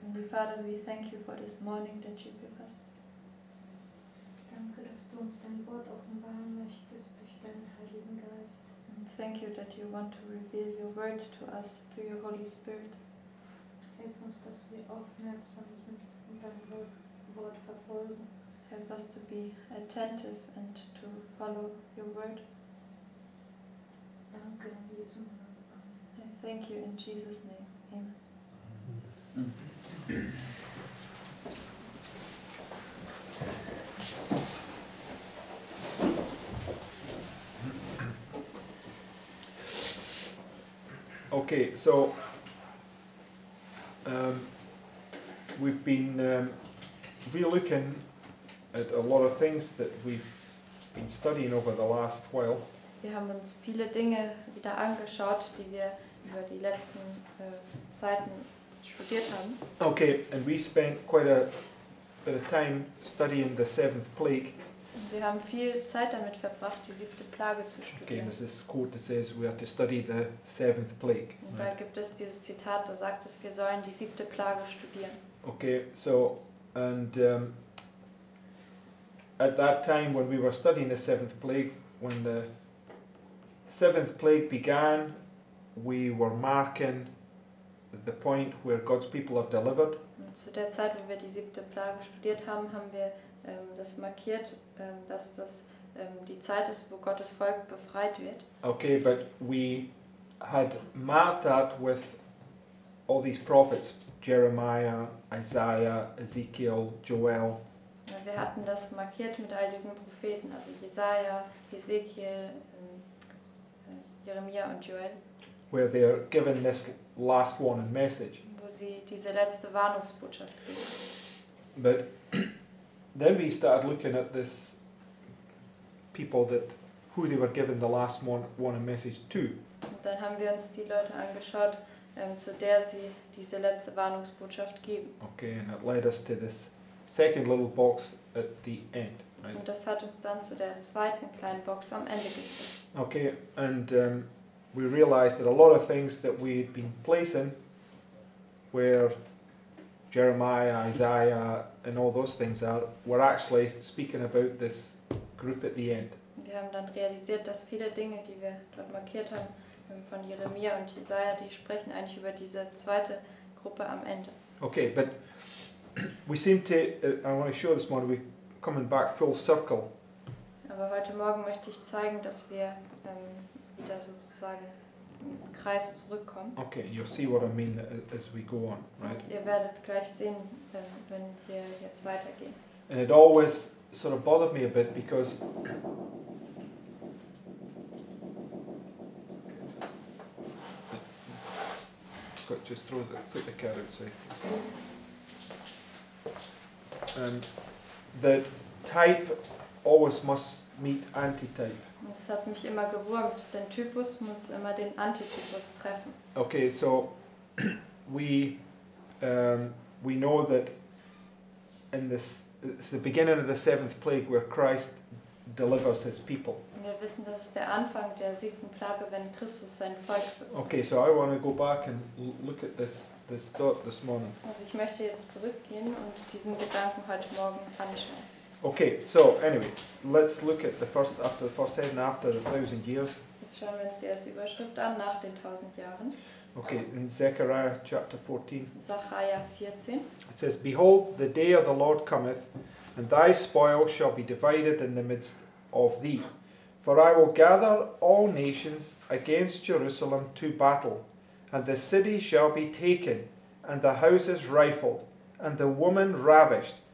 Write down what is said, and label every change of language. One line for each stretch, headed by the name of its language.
English: Father, we thank you for this morning that you give us.
German: Danke, dass du uns dein Wort offenbaren möchtest durch deinen Heiligen Geist.
English: And thank you that you want to reveal your word to us through your Holy Spirit.
German: Help uns, dass wir aufmerksam sind und dein Wort verfolgen.
English: Help us to be attentive and to follow your word.
German: Danke, in Jesu Namen.
English: And thank you in Jesus' name. Amen. Amen. Okay, so we've been re-looking at a lot of things that we've been studying over the last while.
German: Wir haben uns viele Dinge wieder angeschaut, die wir über die letzten Zeiten
English: okay, and we spent quite a bit of time studying the seventh plague.
German: Wir haben viel Zeit damit verbracht, die siebte Plage zu studieren.
English: Okay, this is a quote that says we have to study the seventh plague.
German: Und da gibt es dieses Zitat, das sagt, dass wir sollen die siebte Plage studieren.
English: Okay, so and at that time when we were studying the seventh plague, when the seventh plague began, we were marking the point where God's people are delivered.
German: Zu der Zeit, wo wir die siebte Plage studiert haben, haben wir das markiert, dass das die Zeit ist, wo Gottes Volk befreit wird.
English: Okay, but we had marked that with all these prophets, Jeremiah, Isaiah, Ezekiel, Joel.
German: Wir hatten das markiert mit all diesen Propheten, also Jesaja, Ezekiel, Jeremia und Joel.
English: Where they are given this last warning message.
German: Wo sie diese letzte Warnungsbotschaft kriegen.
English: But then we started looking at this people that who they were given the last warning message to.
German: Und dann haben wir uns die Leute angeschaut, zu der sie diese letzte Warnungsbotschaft geben.
English: Okay, and it led us to this second little box at the end. Right?
German: Und das hat uns dann zu der zweiten kleinen Box am Ende geführt.
English: Okay, and we realized that a lot of things that we had been placing where Jeremiah, Isaiah and all those things are, were actually speaking about this group at the end.
German: Wir haben dann realisiert, dass viele Dinge, die wir dort markiert haben, von Jeremia und Isaiah, die sprechen eigentlich über diese zweite Gruppe am Ende.
English: Okay, but we seem to, I want to show this morning, we're coming back full circle.
German: Aber heute Morgen möchte ich zeigen, dass wir wieder sozusagen im Kreis zurückkommen.
English: Okay, you'll see what I mean as we go on, right?
German: Ihr werdet gleich sehen, wenn wir jetzt weitergehen.
English: And it always sort of bothered me a bit because just throw the put the cat outside. And the type always must meet antitype.
German: Das hat mich immer gewurmt, denn Typus muss immer den Antitypus treffen.
English: Okay, so we know that in this it's the beginning of the seventh plague where Christ delivers his people.
German: Wir wissen, das ist der Anfang der siebten Plage, wenn Christus sein Volk befreit.
English: Okay, so I want to go back and look at this thought this morning.
German: Also ich möchte jetzt zurückgehen und diesen Gedanken heute Morgen anschauen.
English: Okay, so anyway, let's look at the first after the first heaven after the 1,000 years.
German: Jetzt schauen wir uns die erste Überschrift an nach den 1,000 Jahren.
English: Okay, in Zechariah chapter 14. Zechariah 14. It says, "Behold, the day of the Lord cometh, and thy spoil shall be divided in the midst of thee. For I will gather all nations against Jerusalem to battle, and the city shall be taken, and the houses rifled, and the woman ravished.